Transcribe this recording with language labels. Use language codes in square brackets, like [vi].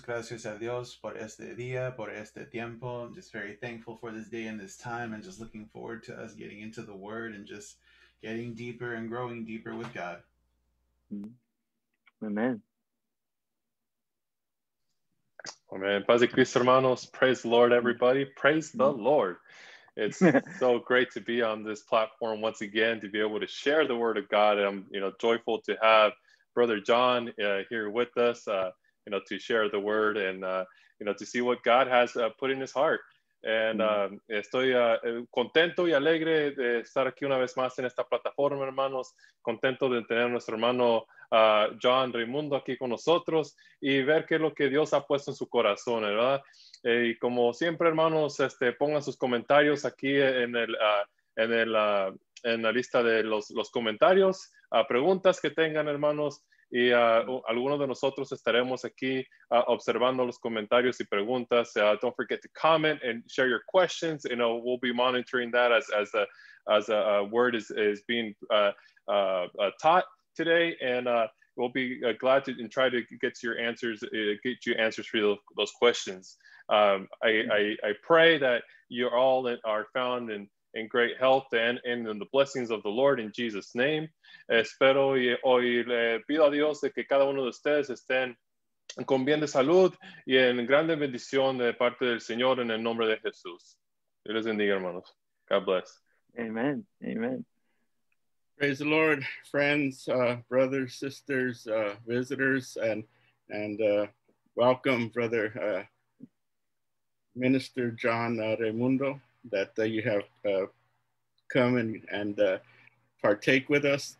[es] Gracias a Dios por este día, por este tiempo. [en] I'm just very thankful for this day and this time, and just looking forward to us getting into the Word and just getting deeper and growing deeper with God. Amen. Amen. [es] Paz de Cristo, hermanos. [en] Praise the Lord, everybody. Praise the Lord. It's so great to be on this platform once again, to be able to share the Word of God. And I'm, you know, joyful to have Brother John here with us, to share the word and, to see what God has put in his heart. [es] And estoy contento y alegre de estar aquí una vez más en esta plataforma, hermanos. Contento de tener a nuestro hermano John Raimundo aquí con nosotros y ver qué es lo que Dios ha puesto en su corazón, ¿verdad? Y como siempre, hermanos, pongan sus comentarios aquí en la lista de los comentarios, preguntas que tengan, hermanos, y algunos de nosotros estaremos aquí observando los comentarios y preguntas. [en] Don't forget to comment and share your questions. You know, we'll be monitoring that as a word is being taught. today, and we'll be glad to and try to get your answers, get you answers for those questions. I pray that you all are found in great health and in the blessings of the Lord in Jesus' name. [es] Espero y hoy le pido a Dios de que cada uno de ustedes estén con bien de salud y en grande bendición de parte del Señor en el nombre de Jesús. Dios les bendiga, hermanos. [en] God bless. Amen. Amen. Praise the Lord, friends, brothers, sisters, visitors, and welcome, Brother Minister John Raimundo, that you have come and partake with us.